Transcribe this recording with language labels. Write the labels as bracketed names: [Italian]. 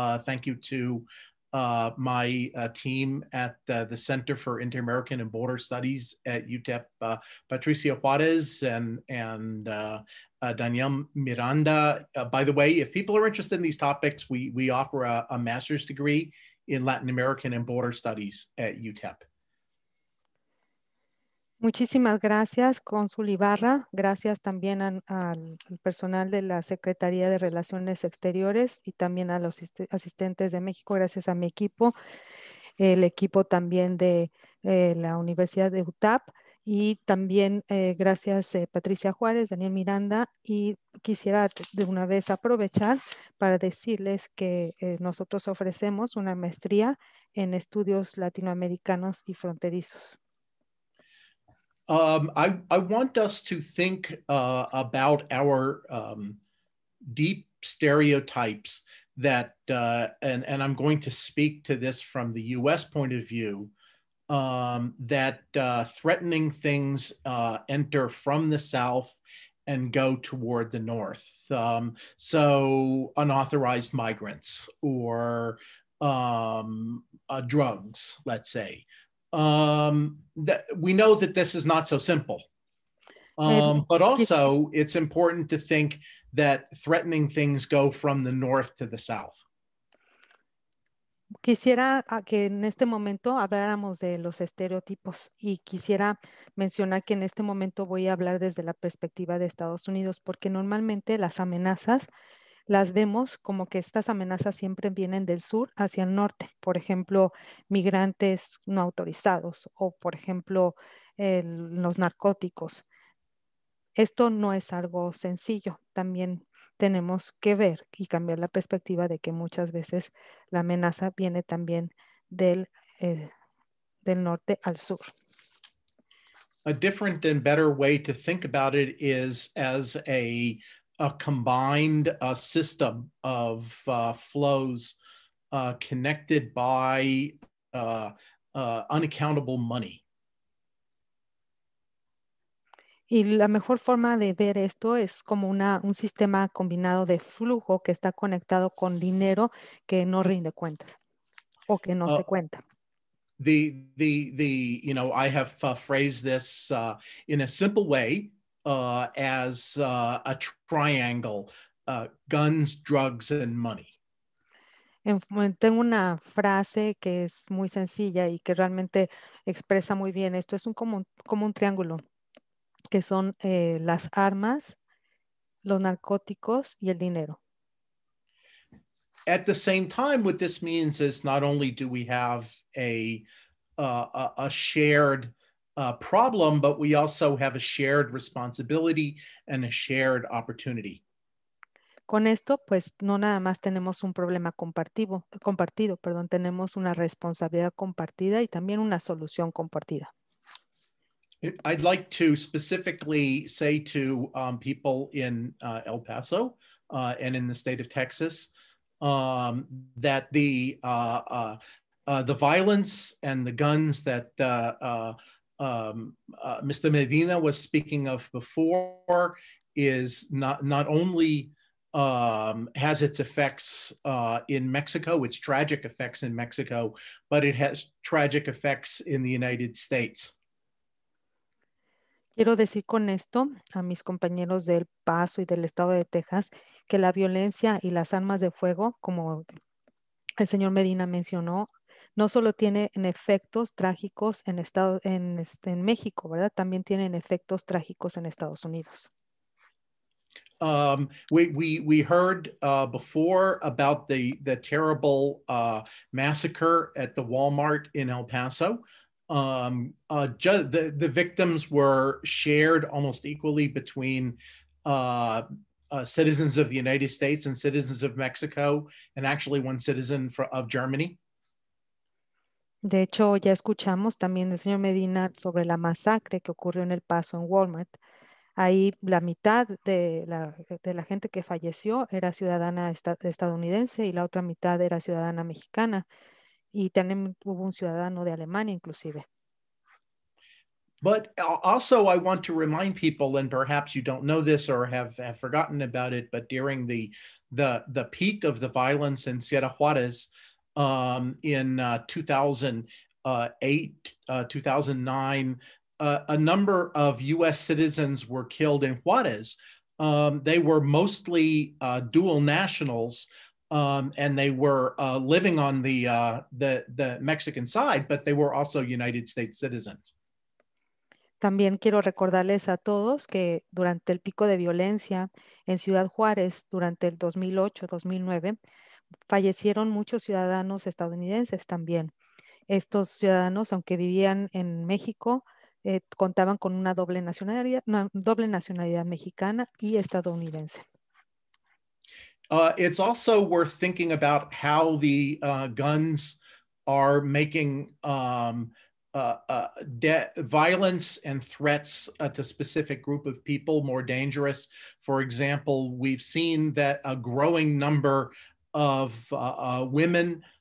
[English] Thank you to my team at the Center for Inter-American and Border Studies at UTEP, Patricia Juarez and Danielle Miranda. By the way, if people are interested in these topics, we offer a master's degree in Latin American and Border Studies at UTEP. [Spanish] Muchísimas gracias, Cónsul Ibarra. Gracias también al personal de la Secretaría de Relaciones Exteriores y también a los asistentes de México. Gracias a mi equipo, el equipo también de la Universidad de UTAP. Y también gracias Patricia Juárez, Daniel Miranda, y quisiera de una vez aprovechar para decirles que nosotros ofrecemos una maestría en estudios latinoamericanos y fronterizos. [English] I want us to think about our deep stereotypes that, and I'm going to speak to this from the U.S. point of view, that threatening things enter from the South and go toward the north. So unauthorized migrants or drugs, let's say. We know that this is not so simple. But also it's important to think that threatening things go from the north to the south. [Spanish] Quisiera que en este momento habláramos de los estereotipos y quisiera mencionar que en este momento voy a hablar desde la perspectiva de Estados Unidos porque normalmente las amenazas las vemos como que estas amenazas siempre vienen del sur hacia el norte. Por ejemplo, migrantes no autorizados o, por ejemplo, los narcóticos. Esto no es algo sencillo. También tenemos que ver y cambiar la perspectiva de que muchas veces la amenaza viene también del norte al sur. [English] A different and better way to think about it is as a combined system of flows connected by unaccountable money. [Spanish] Y la mejor forma de ver esto es como un sistema combinado de flujo que está conectado con dinero que no rinde cuentas o que no se cuenta. [English] I have phrased this in a simple way as a triangle, guns, drugs, and money. [Spanish] Tengo una frase que es muy sencilla y que realmente expresa muy bien esto. Es como un triángulo. Que son las armas, los narcóticos y el dinero. [English] At the same time, what this means is not only do we have a shared problem, but we also have a shared responsibility and a shared opportunity. [Spanish] Con esto, pues no nada más tenemos un problema compartido, tenemos una responsabilidad compartida y también una solución compartida. [English] I'd like to specifically say to people in El Paso and in the state of Texas that the violence and the guns that Mr. Medina was speaking of before is not only has its effects in Mexico, its tragic effects in Mexico, but it has tragic effects in the United States. [Spanish] Quiero decir con esto a mis compañeros del Paso y del Estado de Texas que la violencia y las armas de fuego, como el señor Medina mencionó, no solo tienen efectos trágicos en México, ¿verdad? También tienen efectos trágicos en Estados Unidos. [English] We heard before about the terrible massacre at the Walmart in El Paso. The victims were shared almost equally between citizens of the United States and citizens of Mexico, and actually one citizen of Germany. [Spanish] De hecho, ya escuchamos también del señor Medina sobre la masacre que ocurrió en El Paso en Walmart. Ahí la mitad de la gente que falleció era ciudadana estadounidense y la otra mitad era ciudadana mexicana. Y también hubo un ciudadano de Alemania, inclusive. [English] But also I want to remind people, and perhaps you don't know this or have forgotten about it, but during the peak of the violence in Sierra Juarez in 2008, 2009, a number of U.S. citizens were killed in Juarez. They were mostly dual nationals, and they were living on the Mexican side, but they were also United States citizens. [Spanish] También quiero recordarles a todos que durante el pico de violencia en Ciudad Juárez durante el 2008-2009 fallecieron muchos ciudadanos estadounidenses también. Estos ciudadanos, aunque vivían en México, contaban con una doble nacionalidad mexicana y estadounidense. [English] It's also worth thinking about how the guns are making violence and threats to specific group of people more dangerous. For example, we've seen that a growing number of women